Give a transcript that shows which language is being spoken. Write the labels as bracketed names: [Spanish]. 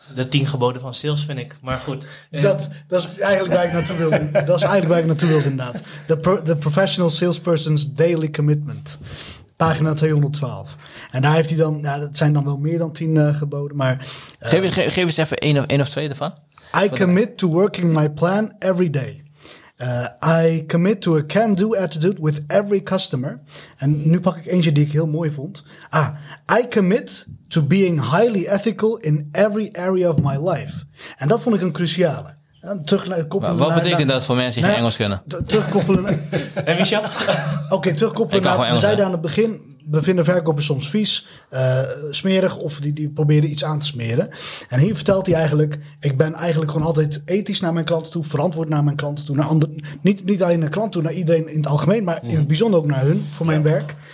[Dutch] De 10 geboden van sales vind ik, maar goed. Dat is eigenlijk waar ik naartoe wil. Dat is eigenlijk waar ik naartoe wil inderdaad. [English] The Professional Salesperson's Daily Commitment. [Dutch] Pagina 212. En daar heeft hij dan, dat zijn dan wel meer dan 10 geboden. Maar, geef eens even één of twee ervan. [English] I commit to working my plan every day. I commit to a can-do attitude with every customer. [Dutch] En nu pak ik eentje die ik heel mooi vond. [English] I commit to being highly ethical in every area of my life. [Dutch] En dat vond ik een cruciale. Wat betekent dat voor mensen die geen Engels kunnen? Terugkoppelen. En Michel? Oké, terugkoppelen. We zeiden aan het begin, we vinden verkopers soms vies, smerig of die proberen iets aan te smeren. En hier vertelt hij eigenlijk, ik ben eigenlijk gewoon altijd ethisch naar mijn klanten toe, verantwoord naar mijn klanten toe, naar anderen, niet alleen naar klanten toe, naar iedereen in het algemeen, maar in het bijzonder ook naar hun, voor mijn werk.